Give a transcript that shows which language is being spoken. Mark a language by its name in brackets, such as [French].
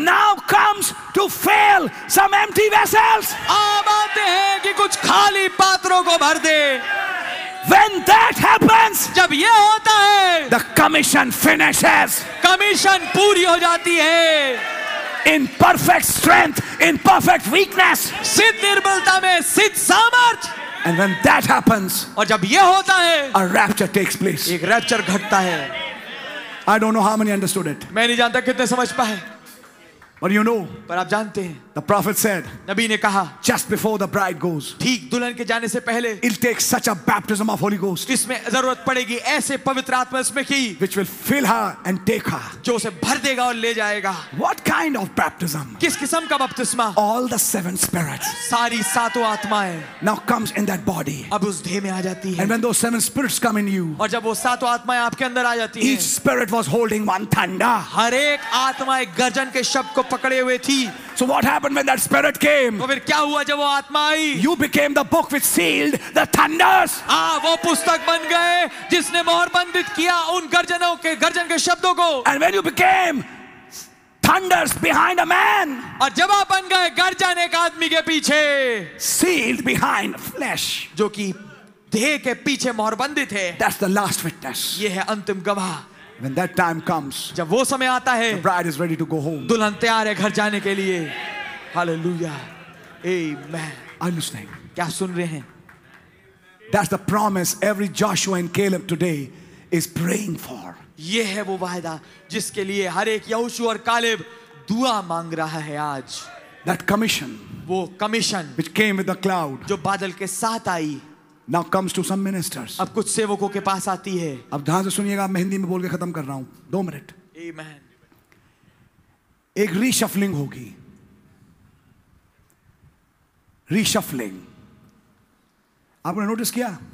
[English] Now comes to fill some empty vessels. [Hindi] अब आते हैं कि कुछ खाली पात्रों को भर दे. [English] When that happens, [Hindi] जब ये होता है, [English] the commission finishes. [Hindi] Commission पूरी हो जाती है. [English] In perfect strength, in perfect weakness. [Hindi] सिद्ध निर्बलता में सिद्ध सामर्थ. [English] And when that happens, [Hindi] और जब ये होता है, [English] a rapture takes place. [Hindi] एक रैप्चर घटता है. [English] I don't know how many understood it. [Hindi] मैं नहीं जानता कितने समझ पाए. [English] But you know, [Hindi] पर आप जानते हैं, [English] the prophet said, [Hindi] नबी ने कहा, [English] just before the bride goes, [Hindi] ठीक दुल्हन के जाने से पहले, [English] it'll take such a baptism of Holy Ghost, [Hindi] इसमें जरूरत पड़ेगी ऐसे पवित्र आत्मा इसमें की, [English] which will fill her and take her, [Hindi] जो उसे भर देगा और ले जाएगा. [English] What kind of baptism? [Hindi] किस किस्म का बपतिस्मा? [English] All the seven spirits, [Hindi] सारी सातों आत्माएं, [English] now comes in that body, [Hindi] अब उस देह में आ जाती है. [English] And when those seven spirits come in you, [Hindi] और जब वो सातों आत्माएं आपके अंदर आ जाती [English] है, each spirit was holding one thunder, [Hindi] हर एक आत्मा एक गर्जन के शब्द को पकड़े हुए थी. [English] So what happened when that spirit came? [Hindi] तो फिर क्या हुआ जब वो आत्मा आई? [English] You became the book which sealed the thunders. [Hindi] आ वो पुस्तक बन गए जिसने मोहर बंधित किया उन गर्जनों के गर्जन के शब्दों को. [English] And when you became thunders behind a man. [Hindi] और जब आप बन गए गर्जन एक आदमी के पीछे. [English] Sealed behind flesh. [Hindi] जो कि देह के पीछे मोहर बंधित है. [English] That's the last witness. [Hindi] ये है अंतिम गवाह. [English] When that time comes, [Hindi] जब वो समय आता है, [English] the bride is ready to go home. [Hindi] दुल्हन तैयार है घर जाने के लिए. [English] Hallelujah. Amen. Are you listening? [Hindi] क्या सुन रहे हैं? [English] That's the promise every Joshua and Caleb today is praying for. [Hindi] ये है वो वायदा जिसके लिए हर एक यहोशू और कालेब दुआ मांग रहा है आज. [English] That commission, [Hindi] वो commission, [English] which came with the cloud, [Hindi] जो बादल के साथ आई. [English] Now comes to some ministers. [Hindi] अब कुछ सेवकों के पास आती है. अब ध्यान से सुनिएगा, मैं हिंदी में बोल के खत्म कर रहा हूं. दो मिनट. [English] Amen. [Hindi] एक reshuffling होगी. Reshuffling. आपने नोटिस किया?